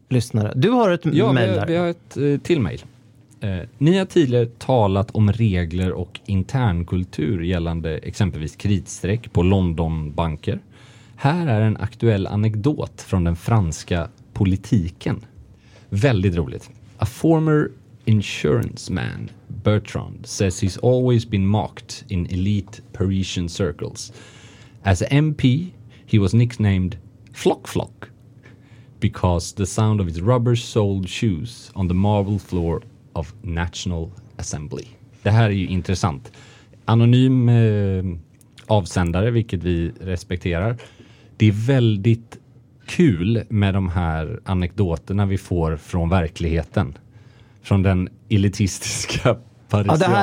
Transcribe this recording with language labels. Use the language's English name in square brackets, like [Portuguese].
[Swedish] Lyssnare. Du har ett mejl där. Ja, vi har ett till mejl. Ni har tidigare talat om regler och internkultur gällande exempelvis kreditsträck på Londonbanker. Här är en aktuell anekdot från den franska politiken. Väldigt roligt. [English] A former insurance man, Bertrand, says he's always been mocked in elite Parisian circles. As an MP, he was nicknamed Flock Flock because the sound of his rubber-soled shoes on the marble floor of National Assembly. [Swedish] Det här är ju intressant. Anonym avsändare, vilket vi respekterar. Det är väldigt kul med de här anekdoterna vi får från verkligheten. Från den elitistiska parisianska.